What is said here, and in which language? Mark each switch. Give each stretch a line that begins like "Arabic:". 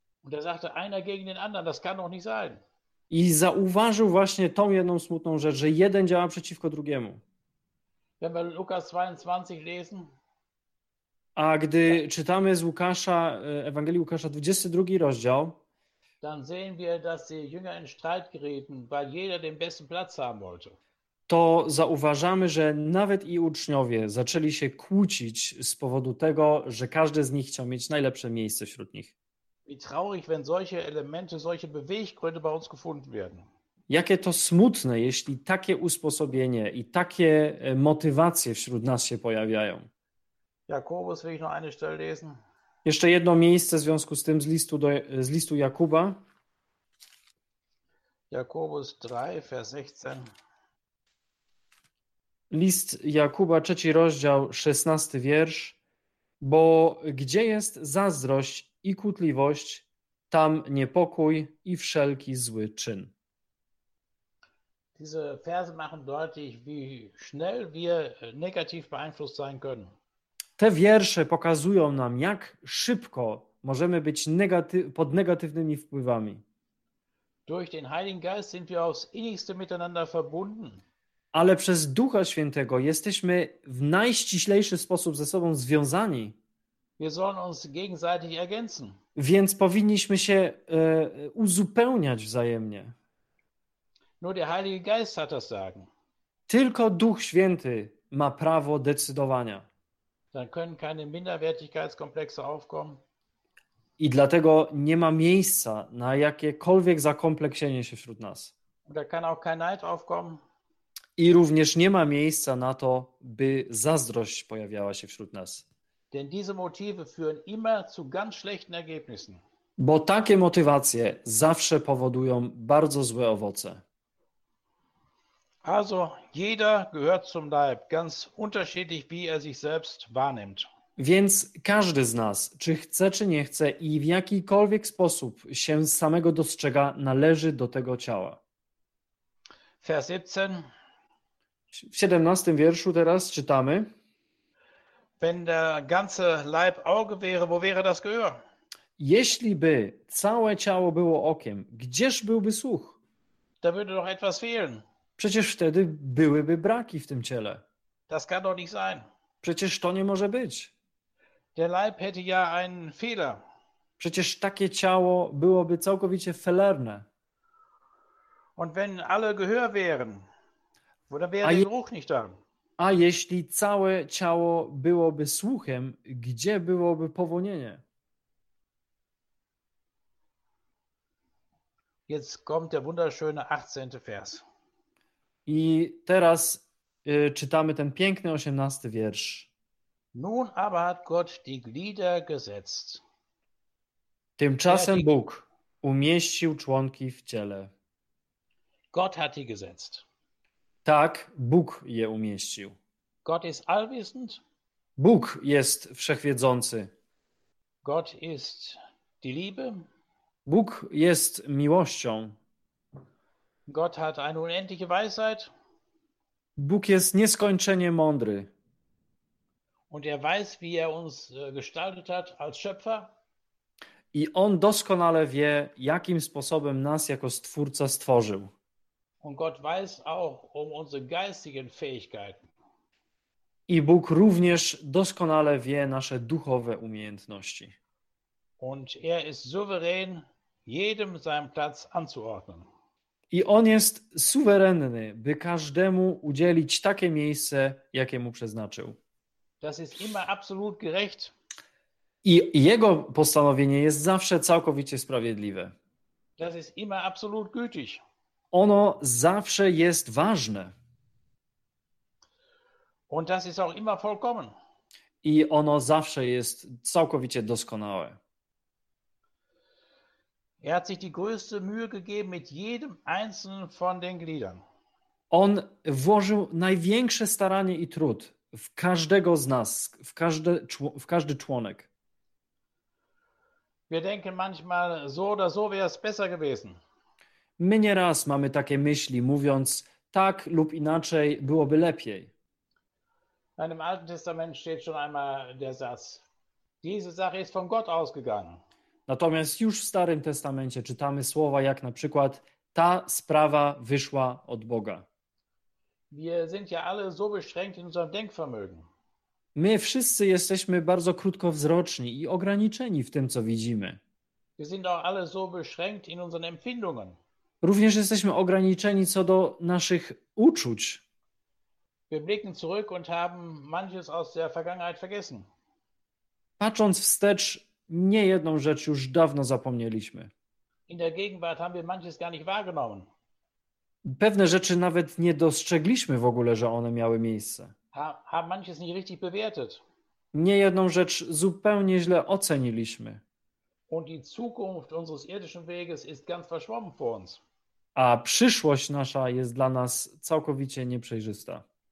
German: Und er sagte, einer gegen den anderen, das kann doch nicht sein.
Polish: I zauważył właśnie tą jedną smutną rzecz, że jeden działa przeciwko drugiemu.
German: Wenn wir Lukas 22 lesen,
Polish: a gdy czytamy z Łukasza, Ewangelii Łukasza 22 rozdział,
German: dann sehen wir, dass die Jünger in Streit gerieten, weil jeder den besten Platz haben wollte.
Polish: To zauważamy, że nawet i uczniowie zaczęli się kłócić z powodu tego, że każdy z nich chciał mieć najlepsze miejsce wśród nich.
German: Wie traurig, wenn solche Elemente, solche Beweggründe bei uns gefunden werden.
Polish: Jakie to smutne, jeśli takie usposobienie i takie motywacje wśród nas się pojawiają.
German: Jakobus, will ich noch eine Stelle lesen?
Polish: Jeszcze jedno miejsce w związku z tym z listu Jakuba.
German: Jakobus 3, Vers 16.
Polish: List Jakuba, trzeci rozdział, 16 wiersz. Bo gdzie jest zazdrość i kłótliwość, tam niepokój i wszelki zły czyn.
German: Diese Verse machen deutlich, wie schnell wir negativ beeinflusst sein können.
Polish: Te wiersze pokazują nam, jak szybko możemy być pod negatywnymi wpływami.
German: Durch den Heiligen Geist sind wir aufs innigste miteinander verbunden.
Polish: Ale przez Ducha Świętego jesteśmy w najściślejszy sposób ze sobą związani.
German: Wir sollen uns gegenseitig ergänzen.
Polish: Więc powinniśmy się uzupełniać wzajemnie.
German: Nur der Heilige Geist hat das sagen.
Polish: Tylko Duch Święty ma prawo decydowania.
German: Dann können keine Minderwertigkeitskomplexe aufkommen.
Polish: I dlatego nie ma miejsca na jakiekolwiek zakompleksienie się wśród nas.
German: Und da kann auch kein Neid aufkommen.
Polish: I również nie ma miejsca na to, by zazdrość pojawiała się wśród nas.
German: Denn diese motive führen immer zu ganz schlechten Ergebnissen.
Polish: Bo takie motywacje zawsze powodują bardzo złe owoce.
German: Also jeder gehört zum Leib, ganz unterschiedlich, wie er sich selbst wahrnimmt.
Polish: Więc każdy z nas, czy chce, czy nie chce i w jakikolwiek sposób się samego dostrzega, należy do tego ciała.
German: Vers 17.
Polish: W 17 wierszu teraz czytamy.
German: Wenn der ganze Leib Auge wäre, wo wäre das Gehör?
Polish: Jeśli by całe ciało było okiem, gdzież byłby słuch?
German: Da würde doch etwas fehlen.
Polish: Przecież wtedy byłyby braki w tym ciele.
German: Das kann doch nicht sein.
Polish: Przecież to nie może być.
German: Der Leib hätte ja einen Fehler.
Polish: Przecież takie ciało byłoby całkowicie fehlerne.
German: Und wenn alle Gehör wären, oder wäre der Geruch nicht da?
Polish: A jeśli całe ciało byłoby słuchem, gdzie byłoby powonienie?
German: Jetzt kommt der wunderschöne 18. Vers.
Polish: I teraz czytamy ten piękny 18 wiersz.
German: Nun aber hat Gott die Glieder gesetzt.
Polish: Tymczasem Bóg umieścił członki w ciele.
German: Gott hat die gesetzt.
Polish: Tak, Bóg je umieścił.
German: Gott ist allwissend.
Polish: Bóg jest wszechwiedzący.
German: Gott ist die Liebe.
Polish: Bóg jest miłością.
German: Gott hat eine unendliche Weisheit.
Polish: Bóg jest nieskończenie mądry.
German: Und er weiß, wie er uns gestaltet hat als Schöpfer.
Polish: I on doskonale wie, jakim sposobem nas jako Stwórca stworzył.
German: Und Gott weiß auch um unsere geistigen Fähigkeiten.
Polish: I Bóg również doskonale wie nasze duchowe umiejętności.
German: Und er ist souverän, jedem seinen Platz anzuordnen.
Polish: I on jest suwerenny, by każdemu udzielić takie miejsce, jakie mu przeznaczył.
German: Das ist immer absolut gerecht.
Polish: I jego postanowienie jest zawsze całkowicie sprawiedliwe.
German: Das ist immer absolut gültig.
Polish: Ono zawsze jest ważne.
German: Und das ist auch immer vollkommen.
Polish: I ono zawsze jest całkowicie doskonałe.
German: Er hat sich die größte Mühe gegeben mit jedem einzelnen von den Gliedern.
Polish: On włożył największe staranie i trud w każdego z nas, w każdy członek.
German: Wir denken manchmal so oder so wäre es besser gewesen.
Polish: My nieraz mamy takie myśli, mówiąc tak lub inaczej byłoby lepiej.
German: Im Alten Testament steht schon einmal der Satz: Diese Sache ist von Gott ausgegangen.
Polish: Natomiast już w Starym Testamencie czytamy słowa jak na przykład ta sprawa wyszła od Boga.
German: Wir sind ja alle so beschränkt in unserem Denkvermögen.
Polish: My wszyscy jesteśmy bardzo krótkowzroczni i ograniczeni w tym, co widzimy.
German: Wir sind auch alle so beschränkt in unseren Empfindungen.
Polish: Również jesteśmy ograniczeni co do naszych uczuć.
German: Wir blicken zurück und haben manches aus der Vergangenheit vergessen.
Polish: Patrząc wstecz, nie jedną rzecz już dawno zapomnieliśmy.
German: In der Gegenwart haben wir manches gar nicht wahrgenommen.
Polish: Pewne rzeczy nawet nie dostrzegliśmy w ogóle, że one miały miejsce.
German: Haben manches nicht richtig bewertet.
Polish: Nie jedną rzecz zupełnie źle oceniliśmy.
German: Und die Zukunft unseres irdischen Weges ist ganz verschwommen vor uns.
Polish: A przyszłość nasza jest dla nas całkowicie nieprzejrzysta.